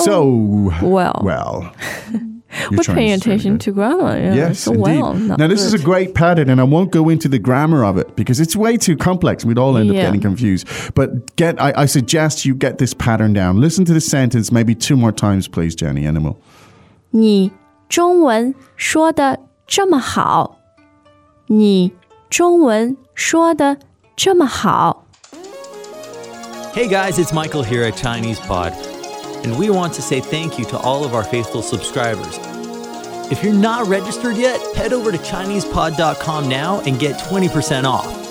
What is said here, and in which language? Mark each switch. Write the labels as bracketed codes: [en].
[en] so well We're paying attention to grammar yeah, Yes so indeed well, Now this good. Is a great pattern And I won't go into the grammar of it Because it's way too complex We'd all end up getting confused But I suggest you get this pattern down Listen to the sentence Maybe 2 more times please Jenny Animal [zh] 你中文说的这么好，你中文说的这么好。 [en] Hey guys, it's Michael here at Chinese Pod, and we want to say thank you to all of our faithful subscribers. If you're not registered yet, head over to ChinesePod.com now and get 20% off.